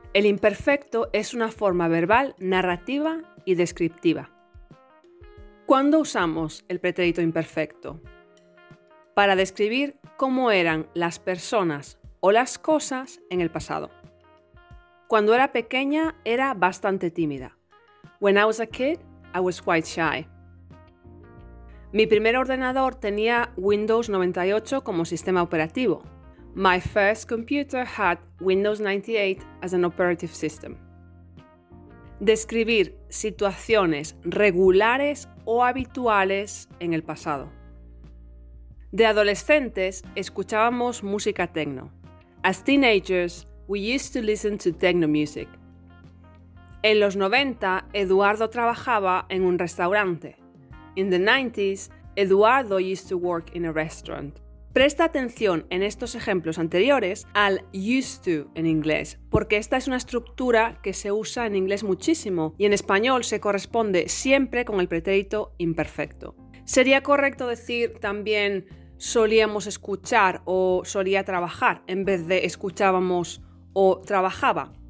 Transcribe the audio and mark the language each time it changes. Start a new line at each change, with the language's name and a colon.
Spanish: El imperfecto es una forma verbal, narrativa y descriptiva. ¿Cuándo usamos el pretérito imperfecto? Para describir cómo eran las personas o las cosas en el pasado. Cuando era pequeña, era bastante tímida.
English: When I was a kid, I was quite shy.
Spanish: Mi primer ordenador tenía Windows 98 como sistema operativo.
English: My first computer had Windows 98 as an operating system.
Spanish: Describir situaciones regulares o habituales en el pasado. De adolescentes, escuchábamos música techno.
English: As teenagers, we used to listen to techno music.
Spanish: En los 90, Eduardo trabajaba en un restaurante.
English: In the 90s, Eduardo used to work in a restaurant.
Spanish: Presta atención en estos ejemplos anteriores al used to en inglés, porque esta es una estructura que se usa en inglés muchísimo y en español se corresponde siempre con el pretérito imperfecto. Sería correcto decir también solíamos escuchar o solía trabajar en vez de escuchábamos o trabajaba.